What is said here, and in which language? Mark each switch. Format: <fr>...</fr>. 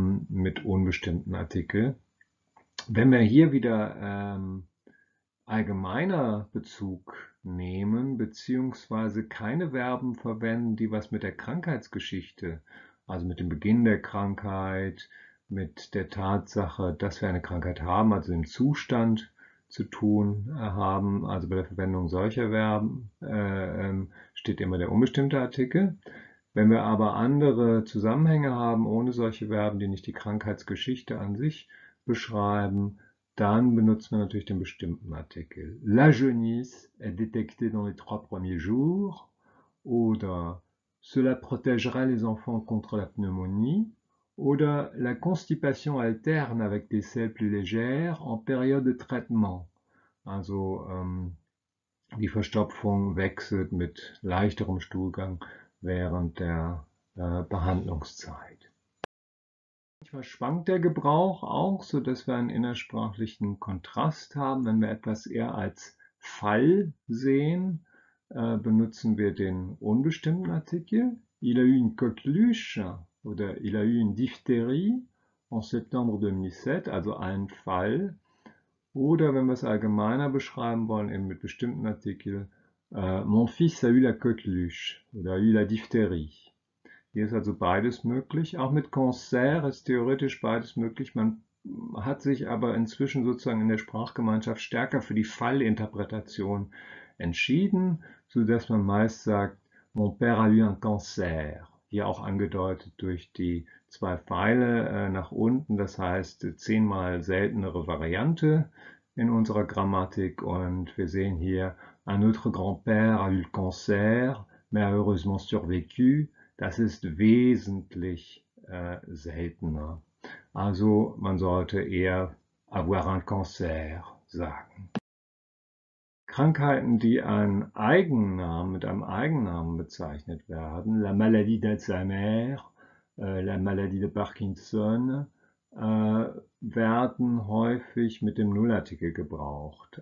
<de>Mit unbestimmten Artikel. Wenn wir hier wieder allgemeiner Bezug nehmen, beziehungsweise keine Verben verwenden, die was mit der Krankheitsgeschichte, also mit dem Beginn der Krankheit, mit der Tatsache, dass wir eine Krankheit haben, also dem Zustand zu tun haben, also bei der Verwendung solcher Verben, steht immer der unbestimmte Artikel. Wenn wir aber andere Zusammenhänge haben, ohne solche Verben, die nicht die Krankheitsgeschichte an sich beschreiben, dann benutzen wir natürlich den bestimmten Artikel.</de> <fr>La jaunisse est détectée dans les trois premiers jours.</fr> <de>Oder</de> <fr>cela protégera les enfants contre la pneumonie.</fr> <de>Oder</de> <fr>la constipation alterne avec des selles plus légères en période de traitement.</fr> <de>Also die Verstopfung wechselt mit leichterem Stuhlgang während der Behandlungszeit. Manchmal schwankt der Gebrauch auch, so dass wir einen innersprachlichen Kontrast haben. Wenn wir etwas eher als Fall sehen, benutzen wir den unbestimmten Artikel.</de> <fr>Il a eu une coqueluche</fr> <de>oder</de> <fr>il a eu une diphtherie en septembre 2007,</fr> <de>also ein Fall. Oder wenn wir es allgemeiner beschreiben wollen, eben mit bestimmten Artikeln,</de> <fr>mon fils a eu la coqueluche oder a eu la diphtherie.</fr> <de>Hier ist also beides möglich. Auch mit cancer ist theoretisch beides möglich. Man hat sich aber inzwischen sozusagen in der Sprachgemeinschaft stärker für die Fallinterpretation entschieden, sodass man meist sagt,</de> <fr>mon père a eu un cancer,</fr> <de>hier auch angedeutet durch die zwei Pfeile nach unten, das heißt 10-mal seltenere Variante in unserer Grammatik. Und wir sehen hier,</de> <fr>un autre grand-père a eu cancer, mais heureusement survécu.</fr> <de>Das ist wesentlich seltener. Also man sollte eher</de> <fr>avoir un cancer</fr> <de>sagen. Krankheiten, die einen Eigennamen mit einem Eigennamen bezeichnet werden,</de> <fr>la maladie d'Alzheimer, la maladie de Parkinson,</fr> <de>werden häufig mit dem Nullartikel gebraucht.</de>